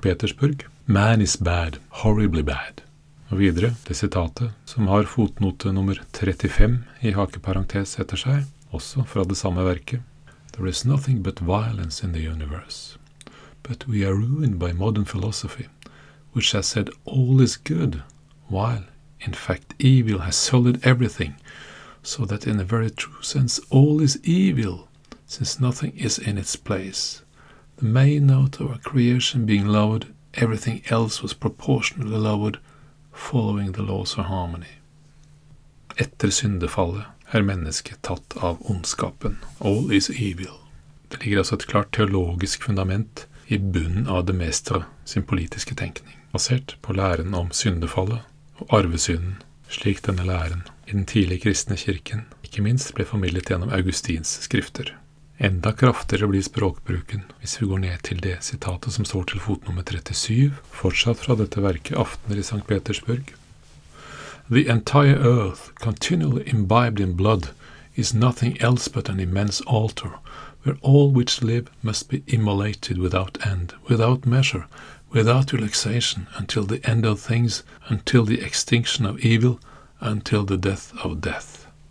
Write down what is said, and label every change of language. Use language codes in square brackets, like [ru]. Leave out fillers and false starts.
[en] Petersburg, Man is bad, horribly bad. [no] Og videre det sitatet som har fotnote nummer 35 i hakeparentes etter seg, også fra det samme verket, [en] There is nothing but violence in the universe. But we are ruined by modern philosophy, which has said all is good, while, in fact, evil has solid everything, so that in a very true sense all is evil, since nothing is in its place. The main note of our creation being lowered, everything else was proportionally lowered, following the laws of harmony. [no] Etter syndefallet mennesket tatt av ondskapen. [en] All is evil. [no] Det ligger altså et klart teologisk fundament i bunnen av de Maistre sin politiske tenkning, basert på læren om syndefallet og arvesynden, slik denne læren i den tidlige kristne kirken ikke minst ble formidlet gjennom Augustins skrifter. Enda kraftigere blir språkbruken hvis vi går ned til det sitatet som står til fotnummer 37, fortsatt fra dette verket Aftener i St. Petersburg. [en] The entire earth, continually imbibed in blood, is nothing else but an immense altar, where all which live must be immolated without end, without measure, without relaxation, until the end of things, until the extinction of evil, until the death of death.